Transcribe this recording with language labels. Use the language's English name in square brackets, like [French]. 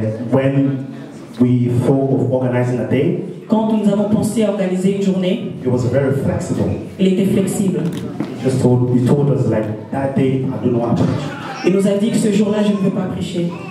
[English] When we thought of organizing a day, [French] quand nous avons pensé à organiser une journée, [English] it was very flexible. [French] Il était flexible. [English] He told us like that day I do not want to preach. [French] Il nous a dit que ce jour-là je ne veux pas prêcher.